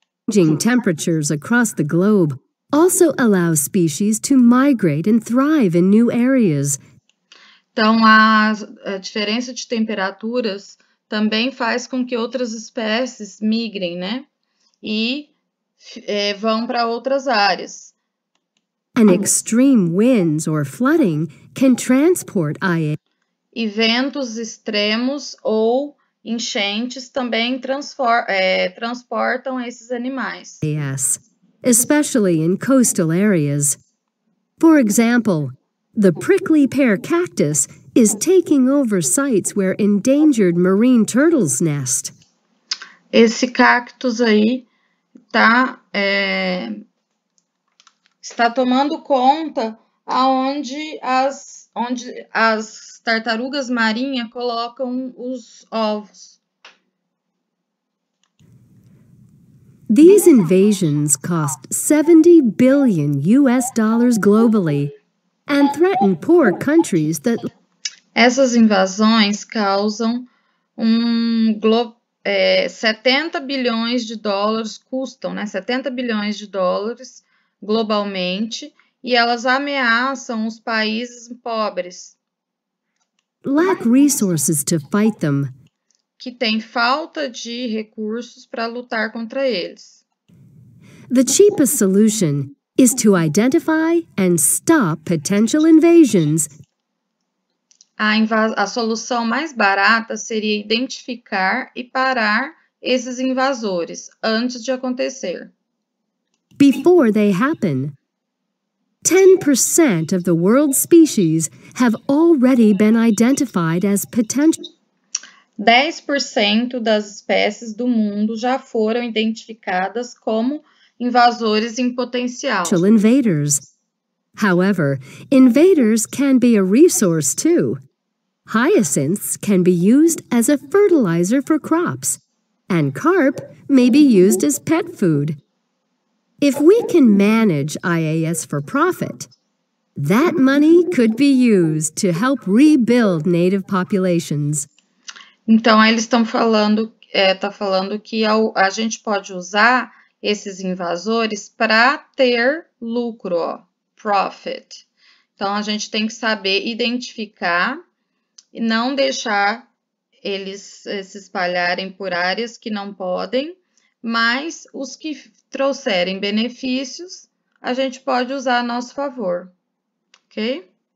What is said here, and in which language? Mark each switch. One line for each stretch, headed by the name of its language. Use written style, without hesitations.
English: Changing temperatures across the globe also allow species to migrate and thrive in new areas.
Portuguese: Então, a diferença de temperaturas também faz com que outras espécies migrem, né? E vão para outras áreas.
English: And extreme winds or flooding can transport IA.
Portuguese: E ventos extremos ou enchentes também transportam esses animais.
English: Yes, especially in coastal areas. For example, the prickly pear cactus is taking over sites where endangered marine turtles nest.
Portuguese: Esse cactus aí está tomando conta onde as tartarugas marinhas colocam os ovos.
English: These invasions cost US$70 billion globally and threaten poor countries that.
Portuguese: Essas invasões causam um globo. 70 bilhões de dólares custam, né? 70 bilhões de dólares globalmente, e elas ameaçam os países pobres,
English: Lack resources to fight them.
Portuguese: que têm falta de recursos para lutar contra eles.
English: The cheapest solution is to identify and stop potential invasions.
Portuguese: A solução mais barata seria identificar e parar esses invasores antes de acontecer.
English: Before they happen. 10% of the world's species have already been identified as potential.
Portuguese: 10% das espécies do mundo já foram identificadas como invasores em potencial.
English: Potential invaders. However, invaders can be a resource too. Hyacinths can be used as a fertilizer for crops, and carp may be used as pet food. If we can manage IAS for profit, that money could be used to help rebuild native populations.
Portuguese: Então, eles estão falando, tá falando que a gente pode usar esses invasores para ter lucro, ó, profit. Então, a gente tem que saber identificar e não deixar eles se espalharem por áreas que não podem, mas os que trouxerem benefícios, a gente pode usar a nosso favor, ok?